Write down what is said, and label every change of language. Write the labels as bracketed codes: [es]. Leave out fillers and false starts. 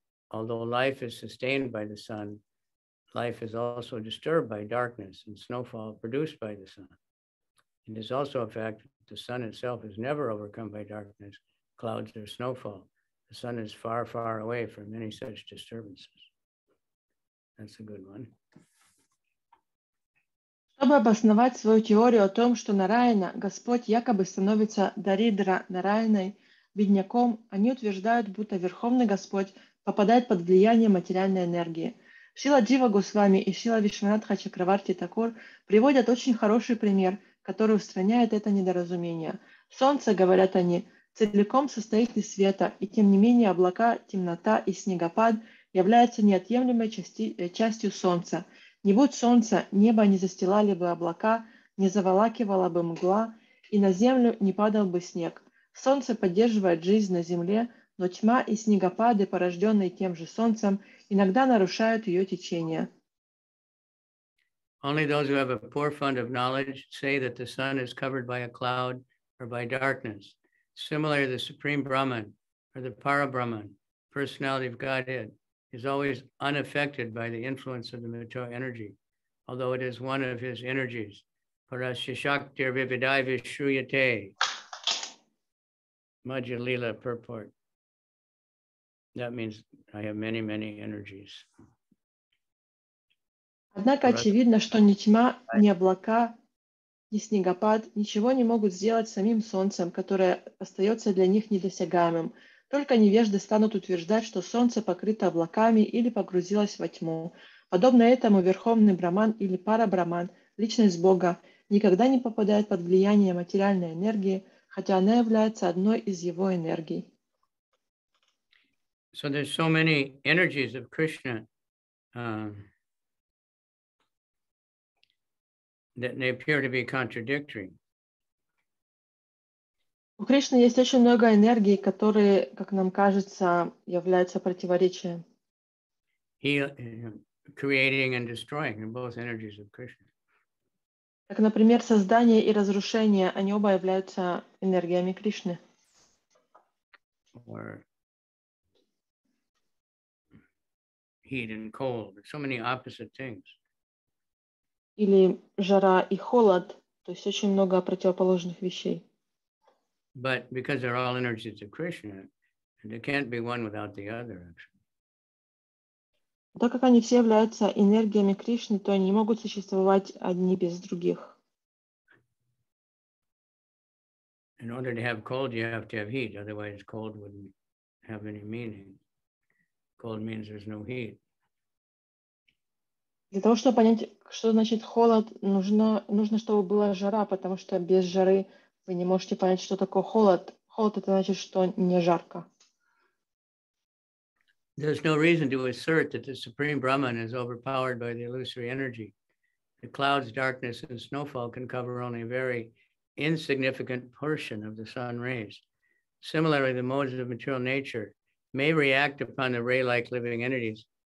[en] Although life is sustained by the sun, life is also disturbed by darkness and snowfall produced by the sun. It is also a fact that the sun itself is never overcome by darkness, clouds, or snowfall. The sun is far, far away from any such disturbances. That's a good one. [ru] Чтобы обосновать свою теорию о том, что Нараяна, Господь якобы становится Даридра Нараяной, бедняком, они утверждают, будто Верховный Господь попадает под влияние материальной энергии. Шрила Джива Госвами и Шрила Вишванатха Чакраварти Такур приводят очень хороший пример, который устраняет это недоразумение. Солнце, говорят они, целиком состоит из света, и тем не менее облака, темнота и снегопад являются неотъемлемой частью солнца. Не будь солнца, небо не застилали бы облака, не заволакивала бы мгла, и на землю не падал бы снег. Солнце поддерживает жизнь на земле, но тьма и снегопады, порожденные тем же солнцем, иногда нарушают ее течение. [en] Only those who have a poor fund of knowledge say that the sun is covered by a cloud or by darkness. Similarly, the Supreme Brahman or the Parabrahman, personality of Godhead, is always unaffected by the influence of the material energy, although it is one of his energies. [sa] Parashishaktir vividaivishruyate. Majalila purport. [en] That means I have many, many energies. [ru] Однако очевидно, что ни тьма, ни облака, ни снегопад ничего не могут сделать самим солнцем, которое остается для них недосягаемым. Только невежды станут утверждать, что солнце покрыто облаками или погрузилось во тьму. Подобно этому верховный браман или парабраман, личность Бога, никогда не попадает под влияние материальной энергии, хотя она является одной из его энергий. [en] So there's so many energies of Krishna that they appear to be contradictory. [ru] У Кришны есть очень много энергий, которые, как нам кажется, являются противоречием. [en] He creating and destroying both energies of Krishna. [ru] Как, например, создание и разрушение, они оба являются энергиями Кришны. [en] Or heat and cold, so many opposite things. [ru] Или жара и холод, то есть очень много противоположных вещей. [en] But because they're all energies of Krishna, there can't be one without the other, actually. [ru] Так как они все являются энергиями Кришны, то они не могут существовать одни без других. [en] In order to have cold, you have to have heat, otherwise cold wouldn't have any meaning. Cold means there's no heat. [ru] Для того, чтобы понять, что значит холод, нужно, чтобы была жара, потому что без жары вы не можете понять, что такое холод. Холод — это значит, что не жарко. [en] There's no reason to assert that the Supreme Brahman is overpowered by the illusory energy. The clouds, darkness, and snowfall can cover only a very insignificant portion of the sun rays. Similarly, the modes of material nature may react upon the ray-like living entities.